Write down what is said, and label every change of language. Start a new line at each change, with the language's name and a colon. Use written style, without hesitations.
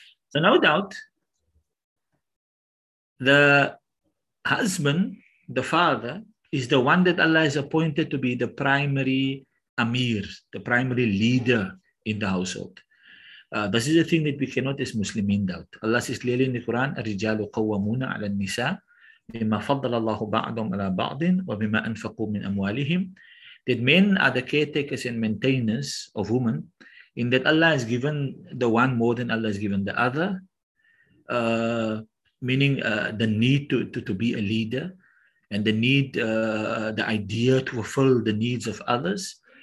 English: So no doubt, the husband, the father, is the one that Allah has appointed to be the primary amir, the primary leader in the household. This is the thing that we cannot as Muslimin doubt. Allah says clearly in the Quran,
Arabic: الرِّجَالُ قَوَّمُونَ عَلَى النِّسَاءِ بِمَا فَضَّلَ اللَّهُ بَعْضُهُمْ عَلَى بَعْضٍ وَبِمَا أَنْفَقُوا مِنْ أَمْوَالِهِمْ.
English: That men are the caretakers and maintainers of women, in that Allah has given the one more than Allah has given the other, meaning the need to be a leader and the need, the idea to fulfill the needs of others.